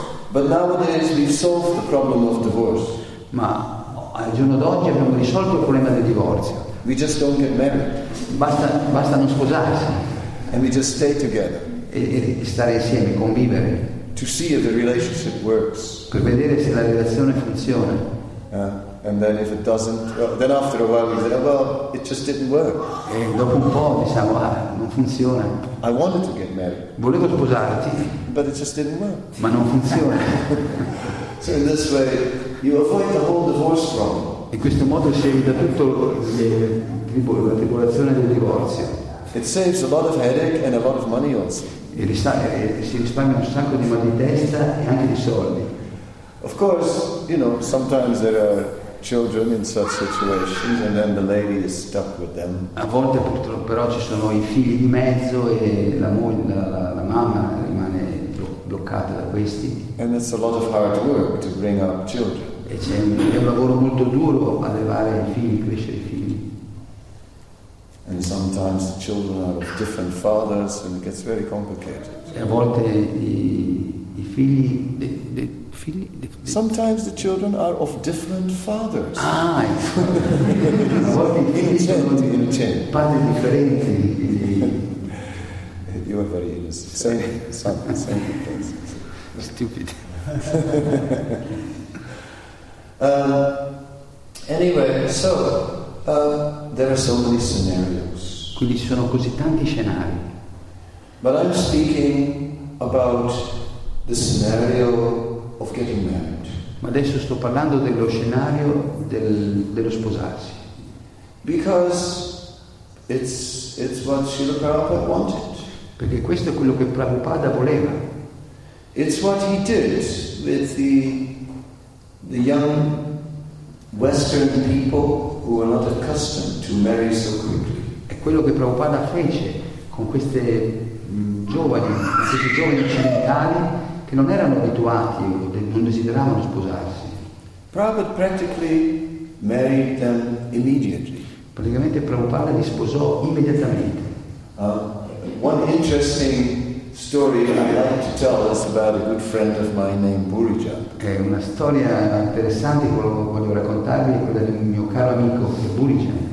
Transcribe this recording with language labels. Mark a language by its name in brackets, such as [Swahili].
[English] But nowadays we solve the problem of divorce. [Italian] Ma al giorno d'oggi abbiamo risolto il problema del divorzio. [English] We just don't get married. [Italian] Basta non sposarsi. [English] And we just stay together. [Italian] E stare insieme, convivere. [English] To see if the relationship works. [Italian] Per vedere se la relazione funziona. [English] And then if it doesn't, well, then after a while we say, well, it just didn't work. [Italian] E dopo un po' diciamo, ah, non funziona. [English] I wanted to get married. [Italian] Volevo sposarti. [English] But it just didn't work. [Italian] Ma non funziona. [English] So in this way, you avoid the whole divorce problem. [Italian] In questo modo si evita tutto la tribolazione del divorzio. [English] It saves a lot of headache and a lot of money also. [Italian] E si risparmia un sacco di mal di testa e anche di soldi. [English] Of course, you know, sometimes there are children in such situations, and then the lady is stuck with them. [Italian] A volte purtroppo però ci sono i figli di mezzo e la mamma rimane bloccata da questi. [English] And it's a lot of hard work to bring up children. [Italian] E c'è un lavoro molto duro allevare i figli, crescere i figli. [English] And sometimes the children are of different fathers, and it gets very complicated. [Italian] E a volte i figli dei figli. [English] Sometimes the children are of different fathers. [Italian] Ah, a volte i figli sono padri differenti. [English] You are very innocent. Same things. Stupid. Anyway, so there are so many scenarios. [Italian] Quindi ci sono così tanti scenari. [English] But I'm speaking about the scenario of getting married. [Italian] Ma adesso sto parlando dello scenario dello sposarsi. [English] Because it's what Srila Prabhupada wanted. [Italian] Perché questo è quello che Prabhupada voleva. [English] It's what he did with the young Western people who were not accustomed to marry so quickly. [Italian] È quello che Prabhupada fece con queste giovani occidentali che non erano abituati o non desideravano sposarsi. [English] Prabhupada practically married them immediately. [Italian] Praticamente Prabhupada li sposò immediatamente. [English] One interesting story I like to tell is about a good friend of mine named Burija. [Italian] È una storia interessante che voglio raccontarvi, quella di un mio caro amico Burija.